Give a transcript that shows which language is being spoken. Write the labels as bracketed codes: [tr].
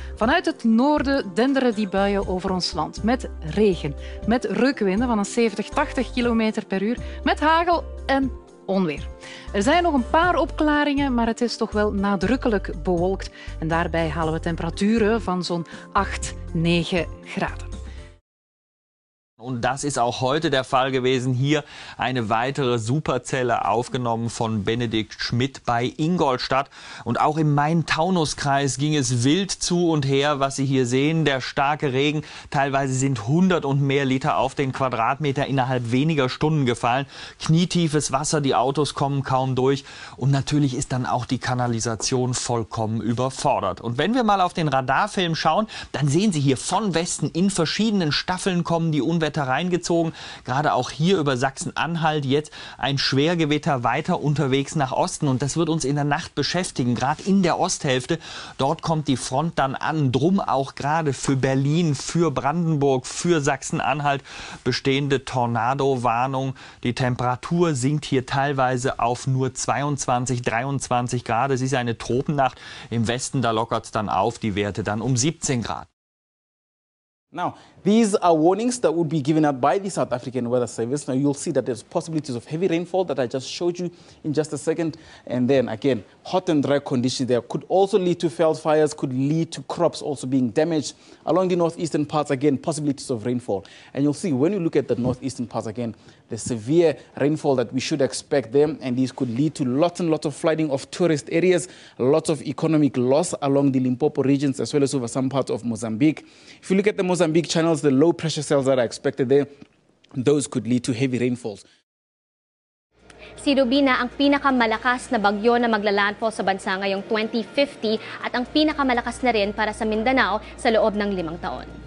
[nl] Vanuit het noorden denderen die buien over ons land met regen, met rukwinden van een 70-80 km per uur, met hagel en onweer. Er zijn nog een paar opklaringen, maar het is toch wel nadrukkelijk bewolkt. En daarbij halen we temperaturen van zo'n 8-9 graden. [de] Und das ist auch heute der Fall gewesen. Hier eine weitere Superzelle aufgenommen von Benedikt Schmidt bei Ingolstadt. Und auch im Main-Taunus-Kreis ging es wild zu und her, was Sie hier sehen. Der starke Regen, teilweise sind 100 und mehr Liter auf den Quadratmeter innerhalb weniger Stunden gefallen. Knietiefes Wasser, die Autos kommen kaum durch. Und natürlich ist dann auch die Kanalisation vollkommen überfordert. Und wenn wir mal auf den Radarfilm schauen, dann sehen Sie hier von Westen in verschiedenen Staffeln kommen die Unwetter reingezogen, gerade auch hier über Sachsen-Anhalt jetzt ein Schwergewitter weiter unterwegs nach Osten und das wird uns in der Nacht beschäftigen, gerade in der Osthälfte, dort kommt die Front dann an, drum auch gerade für Berlin, für Brandenburg, für Sachsen-Anhalt bestehende Tornado-Warnung, die Temperatur sinkt hier teilweise auf nur 22, 23 Grad, es ist eine Tropennacht, im Westen da lockert es dann auf, die Werte dann um 17 Grad. [en] Now, these are warnings that would be given out by the South African Weather Service. Now, you'll see that there's possibilities of heavy rainfall that I just showed you in just a second. And then, again, hot and dry conditions there could also lead to failed fires, could lead to crops also being damaged. Along the northeastern parts, again, possibilities of rainfall. And you'll see, when you look at the northeastern parts, again, the severe rainfall that we should expect there, and these could lead to lots and lots of flooding of tourist areas, lots of economic loss along the Limpopo regions, as well as over some parts of Mozambique. If you look at the Mozambique channels, the low pressure cells that are expected there, those could lead to heavy rainfalls. [tl] Si Rubina ang pinakamalakas na bagyo na maglalandfall sa bansa ngayong 2050 at ang pinakamalakas na rin para sa Mindanao sa loob ng 5 taon.